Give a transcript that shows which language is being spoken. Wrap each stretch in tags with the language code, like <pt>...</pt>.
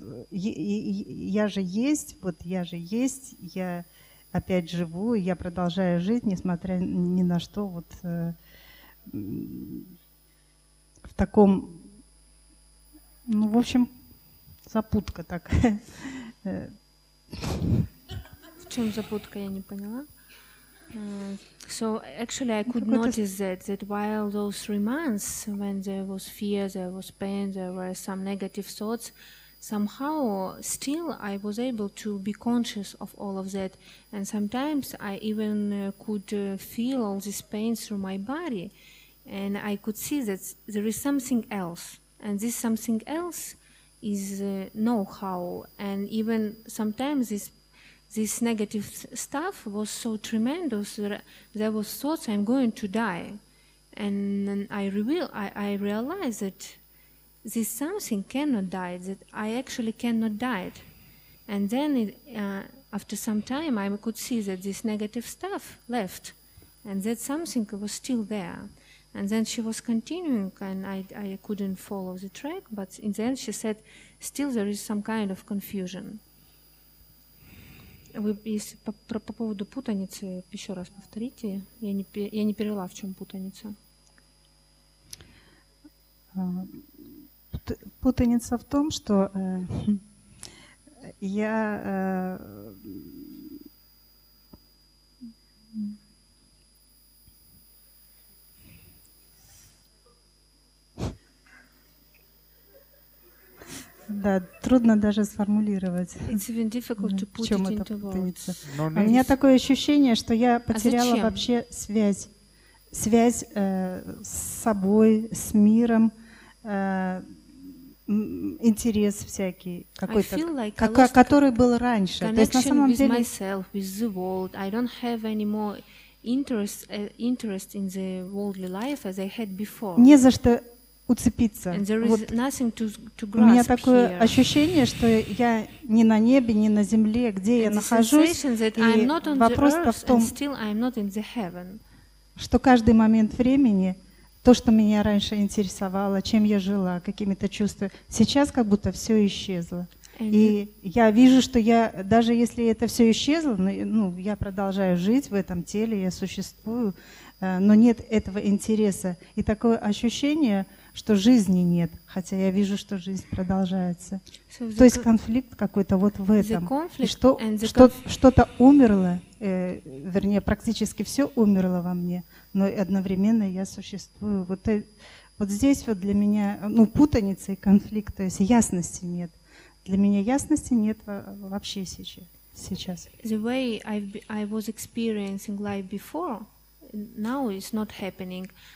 <ru>Я же есть, вот я же есть, я опять живу, я продолжаю жить, несмотря ни на что, вот в таком, ну, в общем, запутка такая. В чем запутка, я не поняла.</ru> <en>So actually, I could notice that while those 3 months, when there was fear, there was pain, there were some negative thoughts, somehow still I was able to be conscious of all of that, and sometimes I even could feel all this pain through my body, and I could see that there is something else, and this something else is know-how, and even sometimes this negative stuff was so tremendous that there was thoughts I'm going to die, and I realized that this something cannot die, that I actually cannot die it. And then after some time I could see that this negative stuff left, and that something was still there, and then she was continuing, and I couldn't follow the track, but in the end she said still there is some kind of confusion.</en> <ru>Вы, если по поводу путаницы, еще раз повторите. Я не перевела, в чем путаница. Путаница в том, что я да, трудно даже сформулировать.</ru> <en>It's even difficult to put it into words.</en> <ru>У меня такое ощущение, что я потеряла вообще связь с собой, с миром, интерес всякий какой-то, который был раньше. То есть на самом деле</ru> <en>connection with myself, with the world. I don't have any more interest in the worldly life as I had before.</en> <ru>Не за что уцепиться.</ru> <en>And there is</en> <ru>вот</ru> <en>nothing to grasp.</en> <ru>У меня такое</ru> <en>here.</en> <ru>ощущение, что я не на небе, не на земле, где</ru> <en>and</en> <ru>я нахожусь, и вопрос-то в том, что каждый момент времени, то, что меня раньше интересовало, чем я жила, какими-то чувствами, сейчас как будто все исчезло. И я вижу, что я, даже если это все исчезло, ну, я продолжаю жить в этом теле, я существую, но нет этого интереса. И такое ощущение, что жизни нет, хотя я вижу, что жизнь продолжается. То есть конфликт какой-то вот в этом. Что-то умерло, вернее, практически все умерло во мне, но одновременно я существую. Вот здесь вот для меня путаница и конфликт, то есть ясности нет. Для меня ясности нет вообще сейчас.</ru> <en>The way I was experiencing life before, now it's not happening.</en>